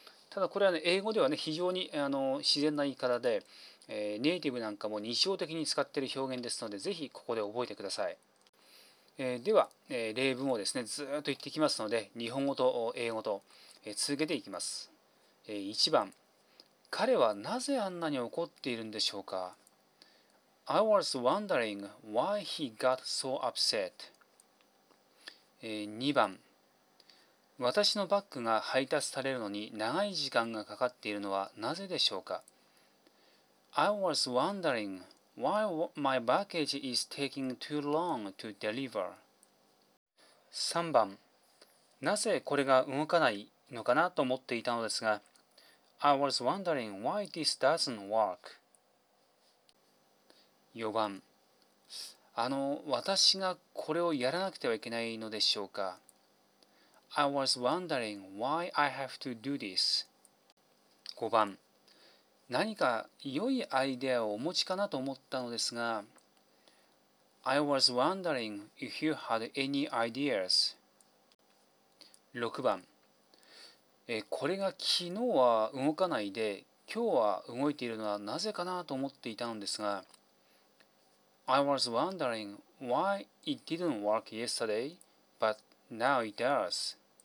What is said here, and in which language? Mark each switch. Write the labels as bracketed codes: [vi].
[ja] ただこれは、ね、英語では、ね、非常に自然な言い方で、ネイティブなんかも日常的に使っている表現ですので、ぜひここで覚えてください。では、例文をですね、ずっと言ってきますので、日本語と英語と続けていきます。 1番、彼はなぜあんなに怒っているんでしょうか。 [en] I was wondering why he got so upset. [ja] 2番、私のバッグが配達されるのに長い時間がかかっているのはなぜでしょうか。 [en] I was wondering why my baggage is taking too long to deliver. [ja] 3番、なぜこれが動かないのかなと思っていたのですが、 [en] I was wondering why this doesn't work. [ja] 4番、私がこれをやらなくてはいけないのでしょうか。 [en] I was wondering why I have to do this. [ja] 5番、何か良いアイデアをお持ちかなと思ったのですが、 [en] I was wondering if you had any ideas. [ja] 6番、これが昨日は動かないで今日は動いているのはなぜかなと思っていたのですが、 [en] I was wondering why it didn't work yesterday, but now it does.